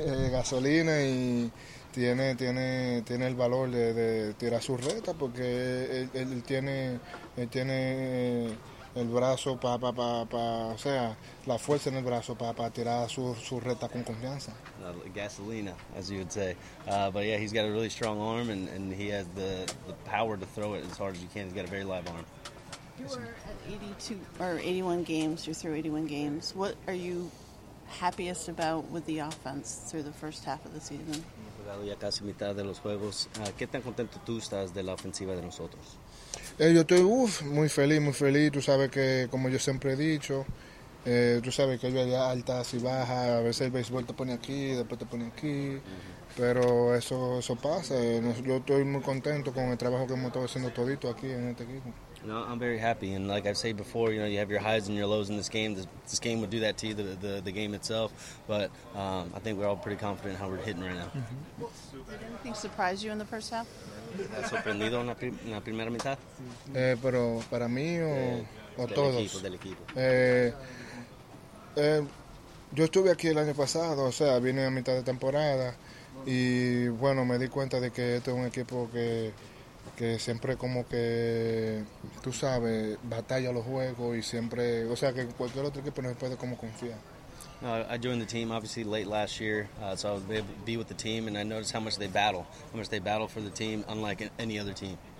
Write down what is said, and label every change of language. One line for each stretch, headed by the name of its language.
Spanish: gasolina y tiene el valor de tirar su reta porque él tiene el brazo o sea, la fuerza en el brazo para tirar su reta con confianza.
English: Gasolina, as you would say. But yeah, he's got a really strong arm and he has the power to throw it as hard as you can. He's got a very live arm. You were at 81 games, you threw 81 games. What are you happiest about with the offense through the first half of the season?
Spanish: Jugado ya casi mitad de los juegos. ¿Qué tan contento tú estás de la ofensiva de nosotros? Yo estoy muy feliz, tú sabes que, como yo siempre he dicho, tú sabes que yo había altas y bajas, a veces el béisbol te pone aquí, después te pone aquí, pero eso pasa. Yo estoy muy contento con el trabajo que hemos estado haciendo todito aquí en este equipo.
English: No, I'm very happy, and like I've said before, you know, you have your highs and your lows in this game. This game would do that to you, the game itself, but I think we're all pretty confident in how we're hitting right now. Mm-hmm. Did anything surprise you in the first half?
Spanish: ¿Has sorprendido en la primera mitad? Pero para mí o del todos. Equipo, del equipo. Yo estuve aquí el año pasado, o sea, vine a mitad de temporada y bueno, me di cuenta de que este es un equipo que siempre como que, tú sabes, batalla los juegos y siempre, o sea, que cualquier otro equipo no se puede como confiar.
English: No, I joined the team obviously late last year, so I was able to be with the team, and I noticed how much they battle for the team, unlike any other team.